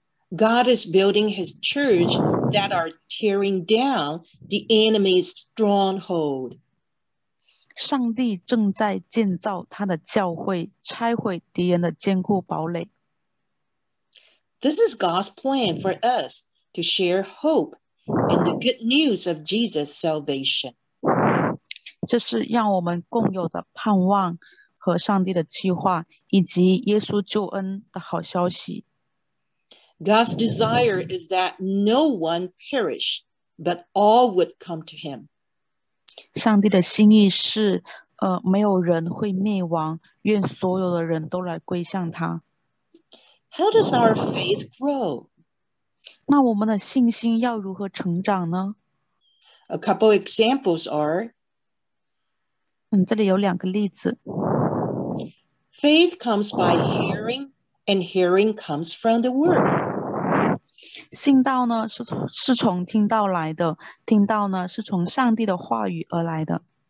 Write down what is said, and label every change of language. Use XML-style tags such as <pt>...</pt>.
<en>God is building his church that are tearing down the enemy's stronghold.</en> <zh>上帝正在建造他的教会，拆毁敌人的坚固堡垒。</zh> <en>This is God's plan for us to share hope and the good news of Jesus' salvation.</en> <zh>这是让我们共有的盼望和上帝的计划，以及耶稣救恩的好消息。</zh> <en>God's desire is that no one perish, but all would come to him.</en> <zh>上帝的心意是，没有人会灭亡，愿所有的人都来归向他。</zh> <en>How does our faith grow?</en> <zh>那我们的信心要如何成长呢？</zh> <en>A couple examples are,</en> <zh>这里有两个例子。</zh> <en>Faith comes by hearing, and hearing comes from the word.</en> <zh>信道呢，是从听道来的，听道呢，是从上帝的话语而来的。</zh>